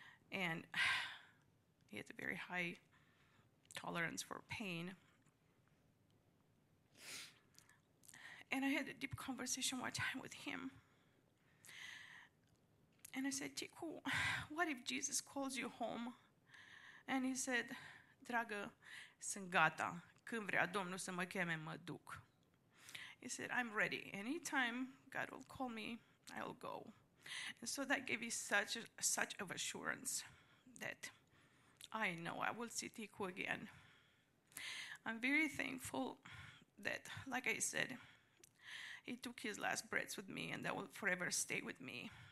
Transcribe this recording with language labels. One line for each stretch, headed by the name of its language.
English: And he had a very high tolerance for pain. And I had a deep conversation one time with him. And I said, Deku, what if Jesus calls you home?
Romanian: And he said, Dragă, sunt gata. Când vrea Domnul să mă cheme, mă duc.
English: He said, I'm ready. Anytime God will call me, I'll go. And so that gave me such of assurance that I know I will see Deku again. I'm very thankful that, like I said, he took his last breaths with me and that will forever stay with me.